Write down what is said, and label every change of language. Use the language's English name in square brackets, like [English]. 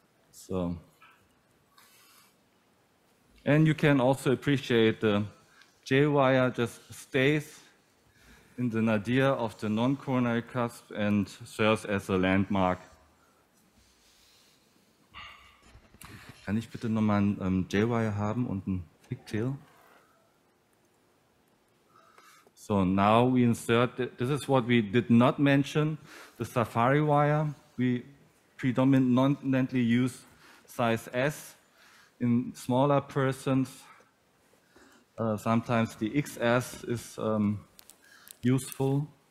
[English] So, and you can also appreciate the J wire just stays in the nadir of the non-coronary cusp and serves as a landmark. [German] Kann ich bitte nochmal ein J-Wire haben und ein Pigtail? [English] So now we insert, this is what we did not mention, the Safari wire. We predominantly use size S in smaller persons. Sometimes the XS is useful.